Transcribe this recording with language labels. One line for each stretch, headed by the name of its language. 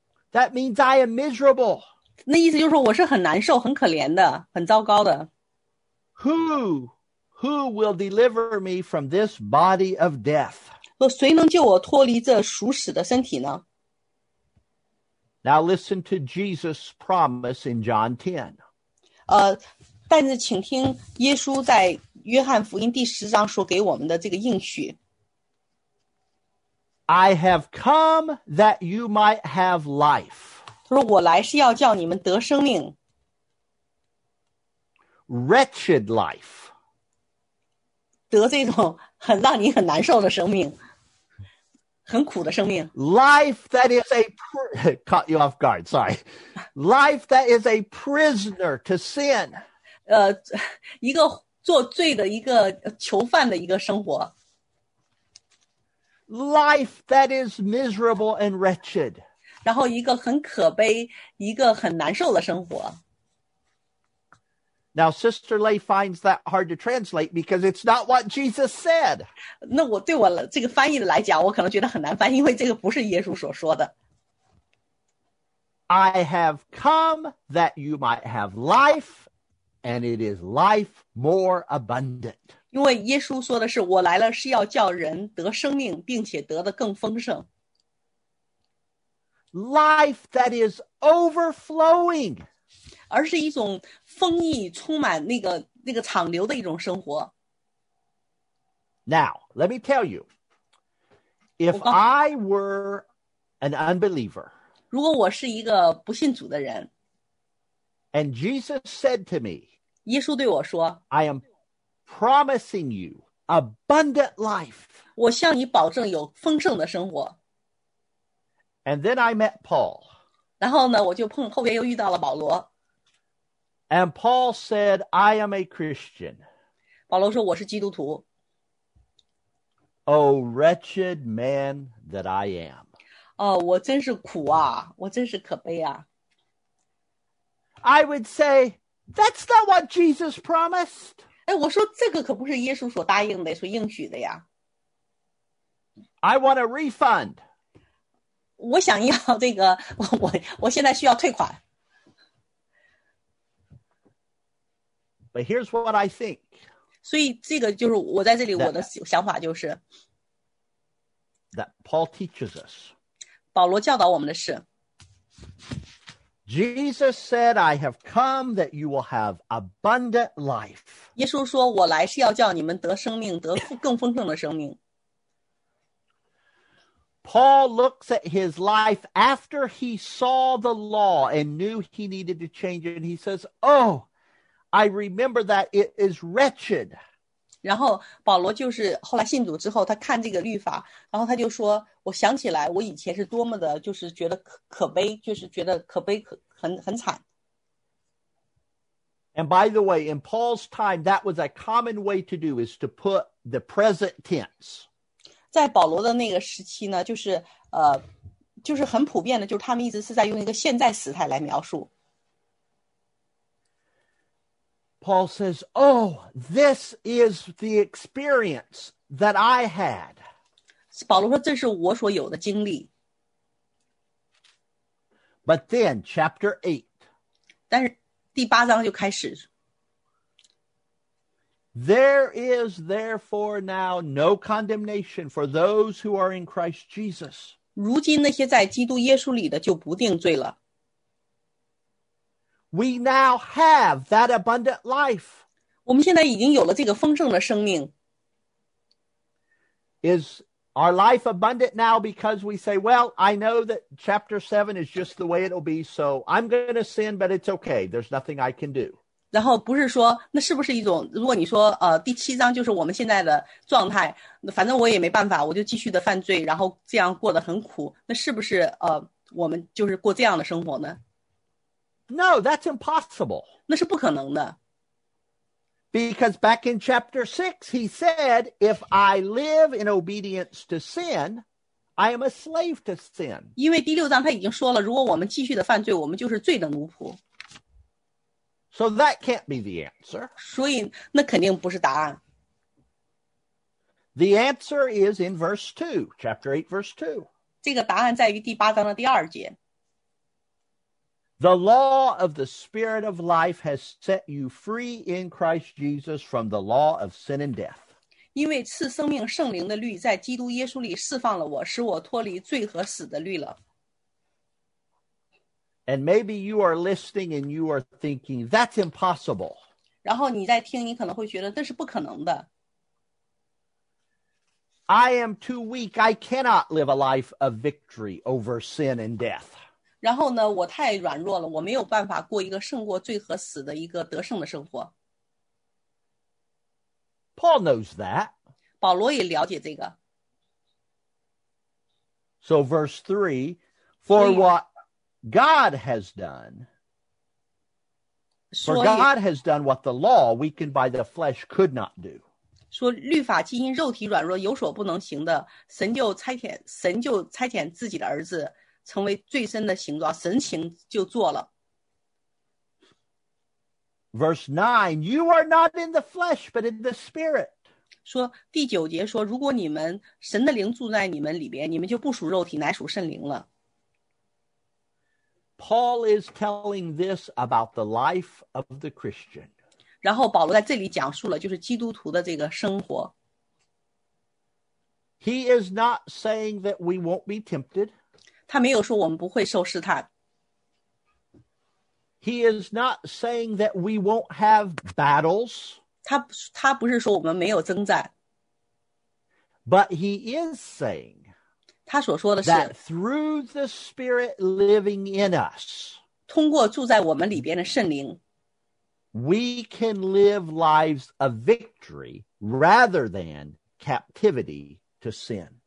English: That means I am miserable.
Chinese: 那意思就是说我是很难受很可怜的很糟糕的。
English: Who will deliver me from this body of death?
Chinese: 谁能救我脱离这属死的身体呢？
English: Now listen to Jesus' promise in John 10.
Chinese: 但是请听耶稣在约翰福音第十章所给我们的这个应许。
English: I have come that you might have life.
Chinese: 他说我来是要叫你们得生命。
English: Wretched life.
Chinese: 得这种很让你很难受的生命。很苦的生命。
English: Life that is a caught you off guard, sorry. Life that is a prisoner to sin.
Chinese: 一个做罪的一个囚犯的一个生活。
English: Life that is miserable and wretched.
Chinese: 然后一个很可悲，一个很难受的生活。
English: Now, Sister Lay finds that hard to translate because it's not what Jesus said.
Chinese: 那我对我这个翻译来讲，我可能觉得很难翻译，因为这个不是耶稣所说的。
English: I have come that you might have life, and it is life more abundant.
Chinese: 因为耶稣说的是，我来了是要叫人得生命，并且得的更丰盛。
English: Life that is overflowing.
Chinese: 而是一种丰溢充满那个长流的一种生活。
English: Now, let me tell you, if I were an unbeliever,
Chinese: 如果我是一个不信主的人
English: and Jesus said to me,
Chinese: 耶稣对我说
English: I am promising you abundant life.
Chinese: 我向你保证有丰盛的生活。
English: And then I met Paul.
Chinese: 然后呢我就碰后边又遇到了保罗。
English: And Paul said, I am a Christian.
Chinese: 保罗说我是基督徒。
English: Oh, wretched man that I am.
Chinese: 我真是苦啊,我真是可悲啊。
English: I would say, that's not what Jesus promised.
Chinese: 哎,我说这个可不是耶稣所答应的,所应许的呀。
English: I want a refund.
Chinese: 我想要这个,我现在需要退款。
English: But here's what I think.
Chinese: 所以这个就是我在这里我的想法就是
English: that Paul teaches us.
Chinese: 保罗教导我们的是
English: Jesus said, I have come that you will have abundant life.
Chinese: 耶稣说我来是要叫你们得生命得更丰盛的生命。
English: Paul looks at his life after he saw the law and knew he needed to change it. And he says, oh, I remember that it is wretched.
Chinese: 然后保罗就是后来信主之后，他看这个律法，然后他就说，我想起来我以前是多么的，就是觉得可悲，就是觉得可悲，很惨。
English: And by the way, in Paul's time, that was a common way to do, is to put the present tense.
Chinese: 在保罗的那个时期呢，就是很普遍的，就是他们一直是在用一个现在时态来描述。
English: Paul says, oh, this is the experience that I had.
Chinese: 保罗说，这是我所有的经历。
English: But then, chapter 8.
Chinese: 但是第八章就开始。
English: There is therefore now no condemnation for those who are in Christ Jesus.
Chinese: 如今那些在基督耶稣里的就不定罪了。
English: We now have that abundant life.
Chinese: 我们现在已经有了这个丰盛的生命。
English: Is our life abundant now because we say, well, I know that chapter 7 is just the way it'll be, so I'm going to sin, but it's okay. There's nothing I can do.
Chinese: 然后不是说，那是不是一种，如果你说第七章就是我们现在的状态，反正我也没办法，我就继续的犯罪，然后这样过得很苦，那是不是我们就是过这样的生活呢？
English: No, that's impossible.
Chinese: 那是不可能的。
English: Because back in chapter 6, he said, if I live in obedience to sin, I am a slave to sin.
Chinese: 因为第六章他已经说了，如果我们继续的犯罪，我们就是罪的奴仆。
English: So that can't be the answer.
Chinese: 所以那肯定不是答案。
English: The answer is in verse 2, chapter 8, verse 2.
Chinese: 这个答案在于第八章的第二节。
English: The law of the Spirit of life has set you free in Christ Jesus from the law of sin and death.
Chinese: 因为赐生命圣灵的律在基督耶稣里释放了我，使我脱离罪和死的律了。
English: And maybe you are listening and you are thinking, that's impossible.
Chinese: 然后你在听，你可能会觉得这是不可能的。
English: I am too weak. I cannot live a life of victory over sin and death.
Chinese: 然后呢，我太软弱了，我没有办法过一个胜过罪和死的一个得胜的生活。
English: Paul knows that.
Chinese: 保罗也了解这个。
English: So verse 3, for what God has done, for God has done what the law weakened by the flesh could not do.
Chinese: 说律法既因肉体软弱有所不能行的，神就差遣自己的儿子。成为罪身的形状，神情就做了。
English: Verse 9, you are not in the flesh, but in the spirit.
Chinese: 说第九节说，如果你们神的灵住在你们里边，你们就不属肉体，乃属圣灵了。
English: Paul is telling this about the life of the Christian.
Chinese: 然后保罗在这里讲述了就是基督徒的这个生活。
English: He is not saying that we won't be tempted.
Chinese: 他没有说我们不会受试探。
English: He is not saying that we won't have battles.
Chinese: 他不是说我们没有征战。
English: But he is saying.
Chinese: 他所说的是。
English: That through the Spirit living in us.
Chinese: 通过住在我们里边的圣灵。
English: We can live lives of victory rather than captivity to sin.